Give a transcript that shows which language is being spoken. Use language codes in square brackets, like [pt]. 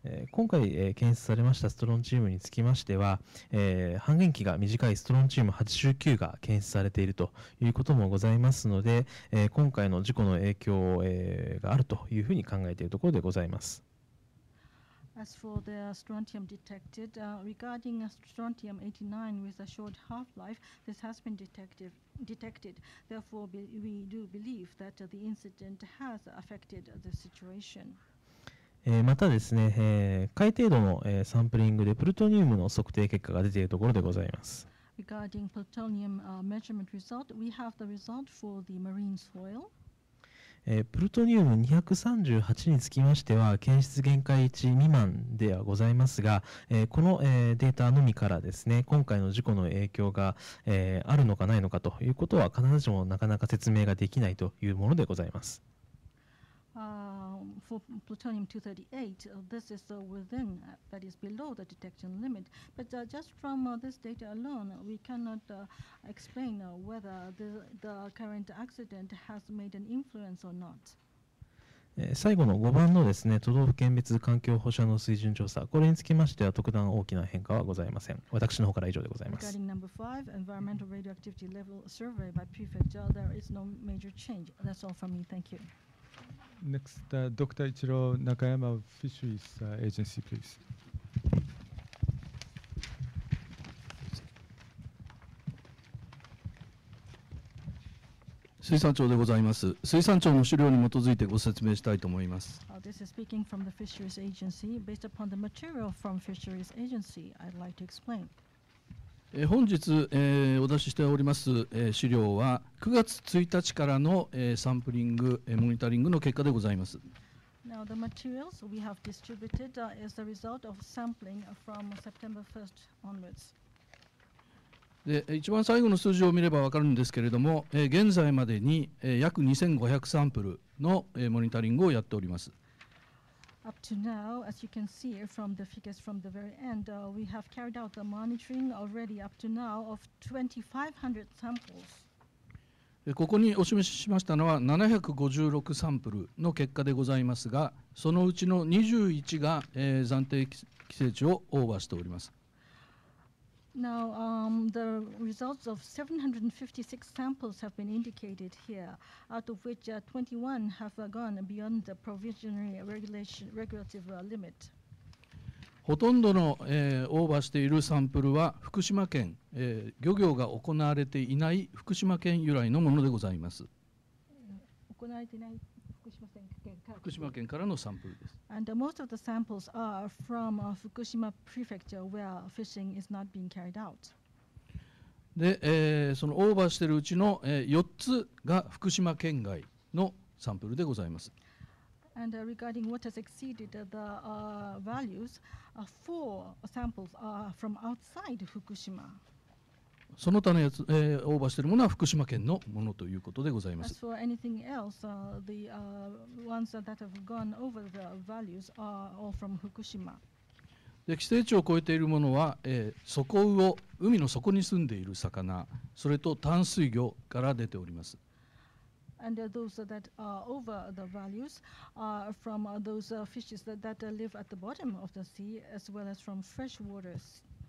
[ja] 今回、検出されましたストロンチウムにつきましては、半減期が短いストロンチウム89が検出されているということもございますので、今回の事故の影響、があるというふうに考えているところでございます。 [en] As for the strontium detected, regarding strontium 89 with a short half-life, this has been detected. Therefore, we do believe that the incident has affected the situation. [ja] またですね、海底土のサンプリングでプルトニウムの測定結果が出ているところでございます。 [en] Regarding plutonium measurement result, we have the result for the marine soil. [ja] プルトニウム238につきましては検出限界値未満ではございますが、この、データのみからですね、今回の事故の影響が、あるのかないのかということは必ずしもなかなか説明ができないというものでございます。 [en] For plutonium 238, this is within, that is below the detection limit. But just from this data alone, we cannot explain whether the current accident has made an influence or not. [ja] 最後の5番のですね、都道府県別環境放射能水準調査、これにつきましては特段大きな変化はございません。私の方から以上でございます。 [en] Regarding number 5, environmental radioactivity level survey by prefecture, there is no major change. That's all from me. Thank you. Next, Dr. Ichiro Nakayama of Fisheries Agency, please. [ja] 水産庁でございます。水産庁の資料に基づいてご説明したいと思います。 [en] This is speaking from the Fisheries Agency. Based upon the material from Fisheries Agency, I'd like to explain. [ja] 本日、お出ししております、資料は9月1日からの、サンプリング、モニタリングの結果でございます。 [en] Now, the materials we have distributed is the result of sampling from September 1st onwards. [ja] で、一番最後の数字を見れば分かるんですけれども、現在までに、約2500サンプルの、モニタリングをやっております。 [en] Up to now, as you can see from the figures from the very end, we have carried out the monitoring already up to now of 2,500 samples. [ja] ここにお示ししましたのは756サンプルの結果でございますが、そのうちの21が、暫定規制値をオーバーしております。 [en] Now, the results of 756 samples have been indicated here, out of which 21 have gone beyond the provisionary regulative limit. [ja] ほとんどの、オーバーしているサンプルは福島県、漁業が行われていない福島県由来のものでございます。行われていない福島県からのサンプルです。 [en] And most of the samples are from Fukushima Prefecture where fishing is not being carried out. [ja] で、そのオーバーしているうちの、4つが福島県外のサンプルでございます。 [en] And regarding what has exceeded the values, four samples are from outside Fukushima. [ja] その他のやつ、オーバーしているものは福島県のものということでございます。 [en] As for anything else, the ones that have gone over the values are all from Fukushima. [ja] 規制値を超えているものは、底魚、海の底に住んでいる魚、それと淡水魚から出ております。 [en] And those that are over the values are from those fishes that live at the bottom of the sea, as well as from freshwaters.